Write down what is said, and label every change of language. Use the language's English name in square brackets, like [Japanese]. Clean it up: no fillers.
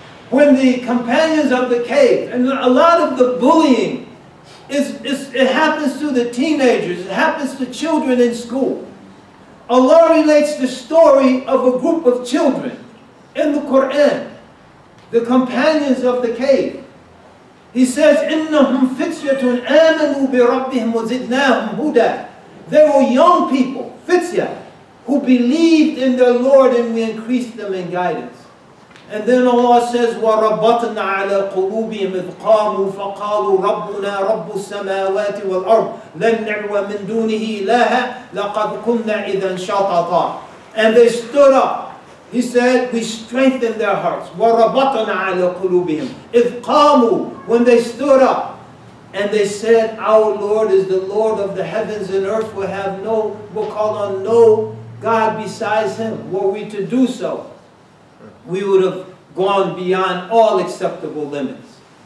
[English] When the companions of the cave, and a lot of the bullying, it happens to the teenagers, it happens to children in school. Allah relates the story of a group of children in the Quran, the companions of the cave. He says, [Arabic] إِنَّهُمْ فِتْيَةٌ آمَنُوا بِرَبِّهِمْ وَزِدْنَاهُمْ هُدًى. [English] They were young people, fitya, who believed in their Lord and we increased them in guidance. And then Allah says, [Arabic] وَرَبَّطْنَا عَلَىٰ قُلُوبِهِمْ إِذْ قَامُوا فَقَالُوا رَبُّنَا رَبُّ السَّمَاوَاتِ وَالْأَرْضِ لَنْ نَعْوَ مِنْ دُونِهِ إِلَهَا لَقَدْ كُنَّا إِذًا شَطَطًا. [English] And they stood up. He said, we strengthened their hearts. [Arabic] وَرَبَّطْنَا عَلَىٰ قُلُوبِهِمْ إِذْ قَامُوا. [English] When they stood up, and they said, our Lord is the Lord of the heavens and earth. We'll call on no God besides Him. Were we to do so, we would have gone beyond all acceptable limits.